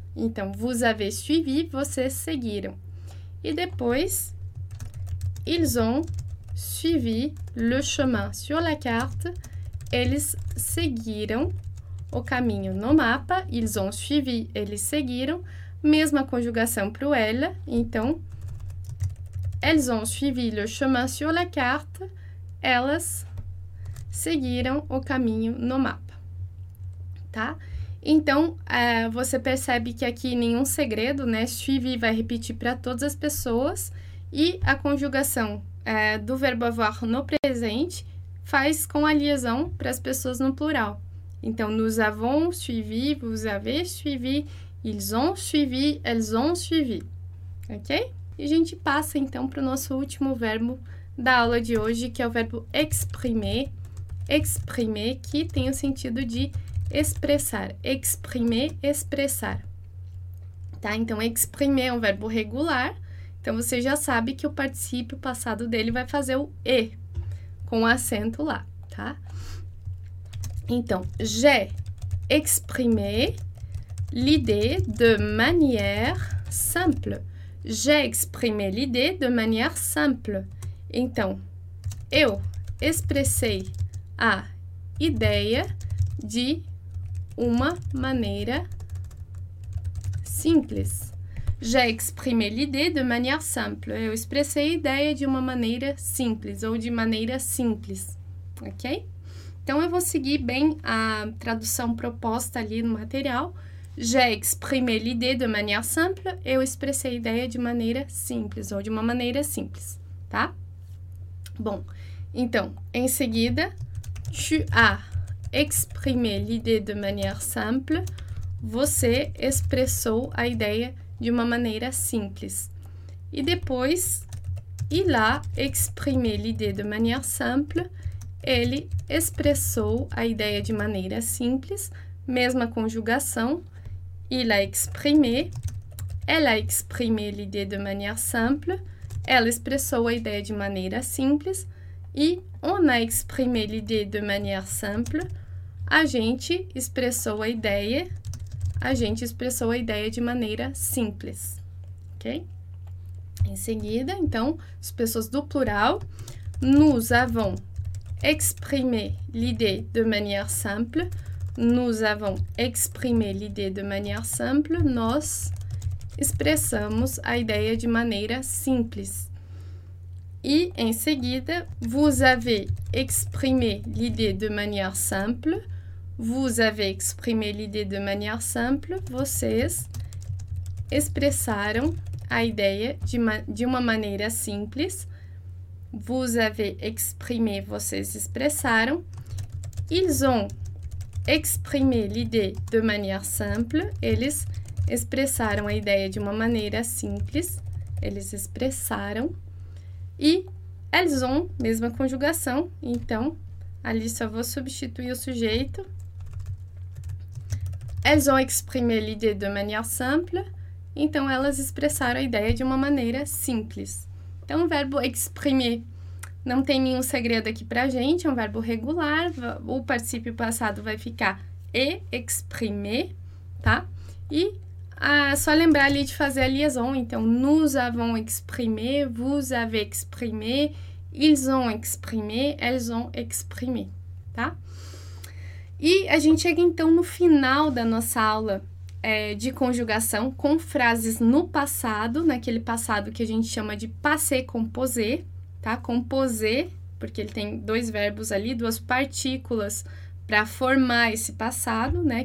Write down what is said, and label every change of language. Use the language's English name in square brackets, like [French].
[Portuguese] Então, vous avez suivi, vocês seguiram. [French] E depois, ils ont suivi le chemin sur la carte. [Portuguese] Eles seguiram o caminho no mapa. [French] Ils ont suivi, eles seguiram. [Portuguese] Mesma conjugação para o elle. [French] Então, elles ont suivi le chemin sur la carte. [Portuguese] Elas seguiram o caminho no mapa. Tá? Então, você percebe que aqui nenhum segredo, né? Suivi vai repetir para todas as pessoas e a conjugação do verbo avoir no presente faz com a liaison para as pessoas no plural. [French] Então, nous avons suivi, vous avez suivi, ils ont suivi, elles ont suivi. [Portuguese] Ok? E a gente passa então para o nosso último verbo da aula de hoje, que é o verbo exprimer, que tem o sentido de expressar, exprimer, expressar. Tá? Então, exprimer é um verbo regular. Então, você já sabe que o particípio passado dele vai fazer o e com acento lá, tá? [French] Então, j'ai exprimé l'idée de manière simple. J'ai exprimé l'idée de manière simple. [Portuguese] Então, eu expressei a ideia de uma maneira simples. [French] J'ai exprimé l'idée de manière simple. [Portuguese] Eu expressei a ideia de uma maneira simples ou de maneira simples, ok? Então eu vou seguir bem a tradução proposta ali no material. [French] J'ai exprimé l'idée de manière simple. [Portuguese] Eu expressei a ideia de maneira simples ou de uma maneira simples, tá? Bom, então em seguida, tu as exprimer l'idée de manière simple, você expressou a ideia de uma maneira simples. E depois, [French] Il a exprimé l'idée de manière simple. [Portuguese] Ele expressou a ideia de maneira simples, mesma conjugação. [French] Il a exprimé. Elle a exprimé l'idée de manière simple. [Portuguese] Ela expressou a ideia de maneira simples. [French] E on a exprimé l'idée de manière simple. [Portuguese] A gente expressou a ideia. A gente expressou a ideia de maneira simples. Ok? Em seguida, então, as pessoas do plural. [French] Nous avons exprimé l'idée de manière simple. Nous avons exprimé l'idée de manière simple. [Portuguese] Nós expressamos a ideia de maneira simples. [French] E, em seguida, vous avez exprimé l'idée de manière simple. Vous avez exprimé l'idée de manière simple. [Portuguese] Vocês expressaram a ideia de uma maneira simples. [French] Vous avez exprimé, vocês expressaram. Ils ont exprimé l'idée de manière simple. [Portuguese] Eles expressaram a ideia de uma maneira simples. Eles expressaram. E elles ont, mesma conjugação. Então, ali só vou substituir o sujeito. [French] Elles ont exprimé l'idée de manière simple. [Portuguese] Então, elas expressaram a ideia de uma maneira simples. Então, o verbo exprimer não tem nenhum segredo aqui para a gente. É um verbo regular. O particípio passado vai ficar e exprimer, tá? E só lembrar ali de fazer a liaison. [French] Então, nous avons exprimé, vous avez exprimé, ils ont exprimé, elles ont exprimé, tá? [Portuguese] E a gente chega, então, no final da nossa aula de conjugação com frases no passado, naquele passado que a gente chama de passé composé, tá? Composé, porque ele tem dois verbos ali, duas partículas para formar esse passado, né?